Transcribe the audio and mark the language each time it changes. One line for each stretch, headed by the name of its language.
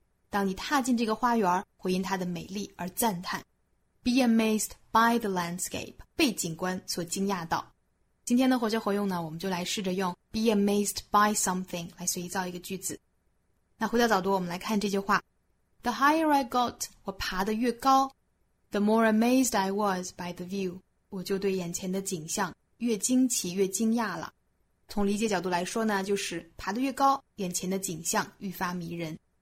Chinese: 当你踏进这个花园，会因它的美丽而赞叹。
English: Be amazed by the landscape.
Chinese: 被景观所惊讶到。今天的活学活用呢，我们就来试着用
English: be amazed by something
Chinese: 来随意造一个句子。那回到早读，我们来看这句话。
English: The higher I got,
Chinese: 我爬得越高
English: ,the more amazed I was by the view.
Chinese: 我就对眼前的景象越惊奇越惊讶了。从理解角度来说呢，就是爬得越高，眼前的景象愈发迷人。